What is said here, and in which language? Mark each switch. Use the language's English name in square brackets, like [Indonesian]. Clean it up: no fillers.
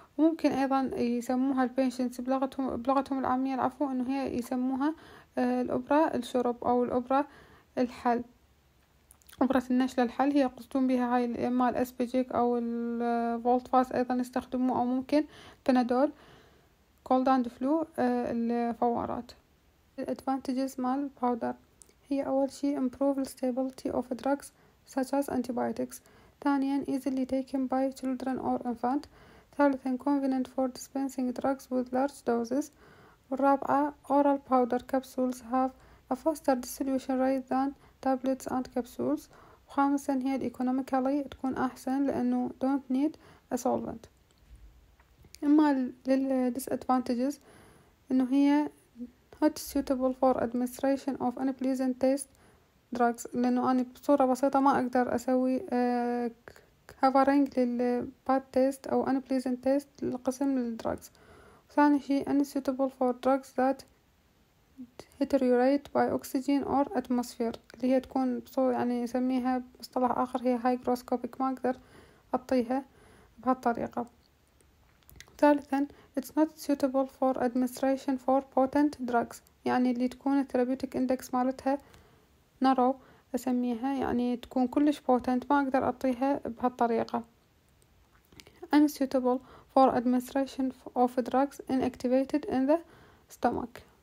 [Arabic] وممكن أيضا يسموها البيشنت بلغتهم العامية العفو أنه هي يسموها الأبرة الشرب أو الأبرة الحل، أبرة النشل الحل هي يقصدون بها هاي مال أسبيجيك أو الفولت فاس أيضا يستخدموه، أو ممكن بنادول كولد أند فلو الفوارات. الأدفانتجز مال باودر هي أول شيء [English] improve the stability of drugs such as antibiotics، ثانيا easily taken by children or infant، ثالثا convenient for dispensing drugs with large doses، والرابعة oral powder capsules have a faster dissolution rate than tablets and capsules، [Arabic] وخامسا هي [English] economically [Arabic] تكون أحسن لأنه [English] don't need a solvent. [Arabic] أما لل disadvantages إنه هي [English] not suitable for administration of unpleasant taste drugs، [Arabic] لأنه أنا بصورة بسيطة ما أقدر أسوي covering لل [English] bad taste [Arabic] أو [English] unpleasant taste [Arabic] لقسم الدراجز. ثاني شيء [English] unsuitable for drugs that deteriorate by oxygen or atmosphere، [Arabic] اللي هي تكون بصورة يعني نسميها بمصطلح آخر هي hygroscopic، ما أقدر أطيها بهالطريقة. ثالثا [English] it's not suitable for administration for potent drugs، [Arabic] يعني اللي تكون [English] therapeutic index [Arabic] مالتها narrow أسميها، يعني تكون كلش potent ما أقدر أطيها بهالطريقة. [English] unsuitable for administration of drugs inactivated in the stomach.